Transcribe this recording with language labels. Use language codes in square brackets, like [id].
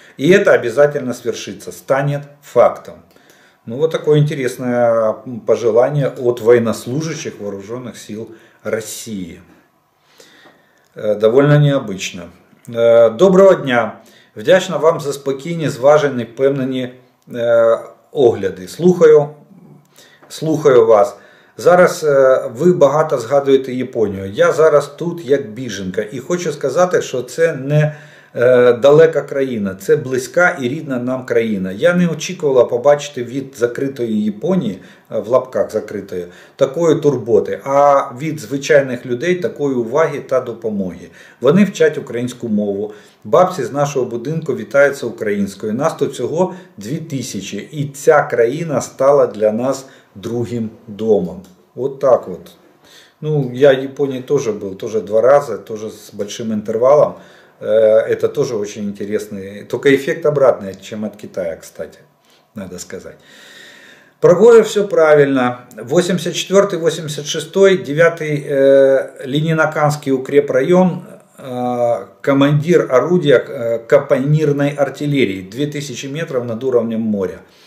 [ru] И это обязательно свершится, станет фактом. Ну вот такое интересное пожелание от военнослужащих вооруженных сил России. Довольно необычно. Доброго дня! [uk] Вдячна вам за спокійні, зважені, впевнені огляди. Слухаю вас. Зараз ви багато згадуєте Японію. Я зараз тут як біженка. І хочу сказати, що це не далека країна. Це близька і рідна нам країна. Я не очікувала побачити від закритої Японії, в лапках закритої, такої турботи. А від звичайних людей такої уваги та допомоги. Вони вчать українську мову. Бабці з нашого будинку вітаються українською. Нас тут всього 2000. І ця країна стала для нас другим домом. От так от. Ну, я в Японії теж був. Теж два рази, теж з великим інтервалом. [ru] Это тоже очень интересный, только эффект обратный, чем от Китая, кстати, надо сказать. Прогоев все правильно. 84-й, 86-й, 9-й Ленинаканский укрепрайон, командир орудия капонирной артиллерии, 2000 метров над уровнем моря.